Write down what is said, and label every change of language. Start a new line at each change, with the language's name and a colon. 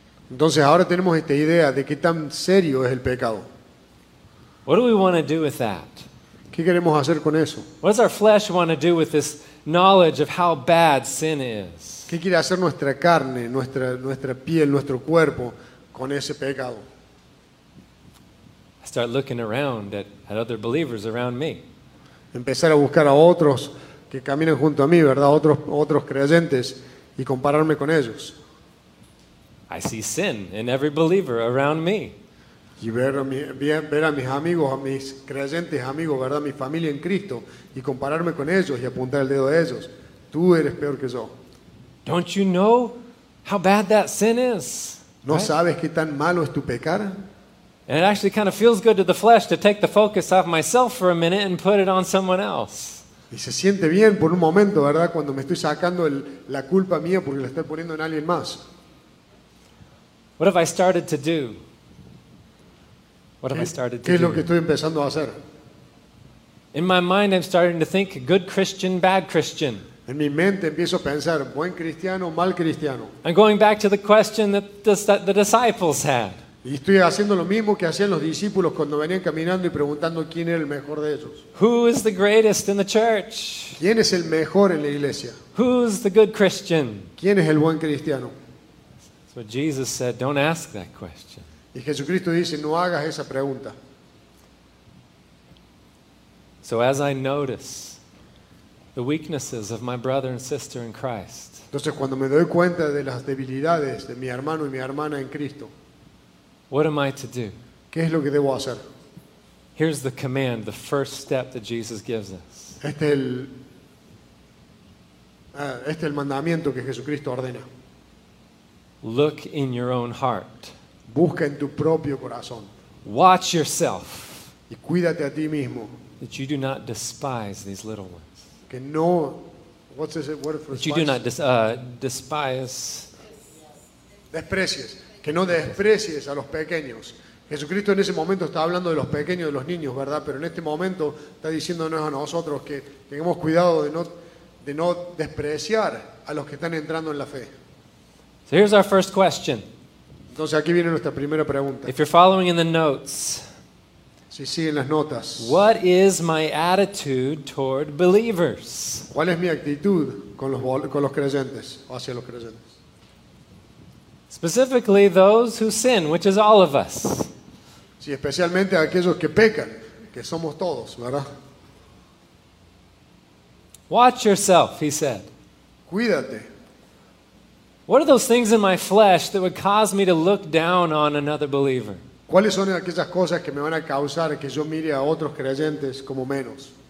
Spanish: Entonces ahora tenemos esta idea de qué tan serio es el pecado.
English: What do we want to do with that?
Spanish: ¿Qué queremos hacer con eso?
English: What does our flesh want to do with this knowledge of how bad sin is?
Spanish: ¿Qué quiere hacer nuestra carne, nuestra piel, nuestro cuerpo con ese pecado?
English: I start looking around at other believers around me.
Spanish: Empezar a buscar a otros que caminan junto a mí, ¿verdad? Otros creyentes y compararme con ellos.
English: I see sin in every believer around me.
Spanish: Y ver a mis amigos, a mis creyentes, amigos, ¿verdad? Mi familia en Cristo y compararme con ellos y apuntar el dedo a ellos. Tú eres peor que yo.
English: Don't you know how bad that sin is?
Spanish: ¿No sabes qué tan malo es tu pecar?
English: And it actually kind of feels good to the flesh to take the focus off myself for a minute and put it on someone else.
Spanish: Y se siente bien por un momento, ¿verdad? Cuando me estoy sacando la culpa mía porque la estoy poniendo en alguien más.
English: What have I started to do? What have I started to do?
Spanish: ¿Qué es lo que estoy empezando a hacer?
English: In my mind I'm starting to think good Christian, bad Christian.
Spanish: En mi mente empiezo a pensar buen cristiano, mal cristiano.
English: I'm going back to the question that the disciples had.
Spanish: Y estoy haciendo lo mismo que hacían los discípulos cuando venían caminando y preguntando quién era el mejor de ellos.
English: Who is the greatest in the church?
Spanish: ¿Quién es el mejor en la iglesia?
English: Who's the good Christian?
Spanish: ¿Quién es el buen cristiano?
English: So Jesus said, don't ask that question.
Spanish: Y Jesucristo dice, no hagas esa pregunta.
English: So as I notice the weaknesses of my brother and sister in Christ.
Spanish: Entonces cuando me doy cuenta de las debilidades de mi hermano y mi hermana en Cristo.
English: What am I to do?
Spanish: ¿Qué es lo que debo hacer?
English: Here's the command, the first step that Jesus gives us.
Spanish: Este es el mandamiento que Jesucristo ordena.
English: Look in your own heart.
Spanish: Busca en tu propio corazón.
English: Watch yourself.
Spanish: Y cuídate a ti mismo.
English: That you do not despise these little ones.
Spanish: Que no,
English: what's this word for? That you do not despise.
Spanish: Desprecies. Que no desprecies a los pequeños. Jesucristo en ese momento está hablando de los pequeños, de los niños, ¿verdad? Pero en este momento está diciéndonos a nosotros que tengamos cuidado de no despreciar a los que están entrando en la fe.
English: So here's our first question.
Spanish: Entonces aquí viene nuestra primera pregunta.
English: If you're following in the notes,
Spanish: si siguen las notas,
English: what is my attitude toward believers?
Spanish: ¿Cuál es mi actitud con los creyentes o hacia los creyentes?
English: Specifically, those who sin, which is all of us.
Spanish: Sí, especialmente aquellos que pecan, que somos todos, ¿verdad?
English: Watch yourself, he said.
Spanish: Cuídate.
English: What are those things in my flesh that would cause me to look down on another believer?
Spanish: ¿Cuáles son aquellas cosas que me van a causar que yo mire a otros creyentes como menos?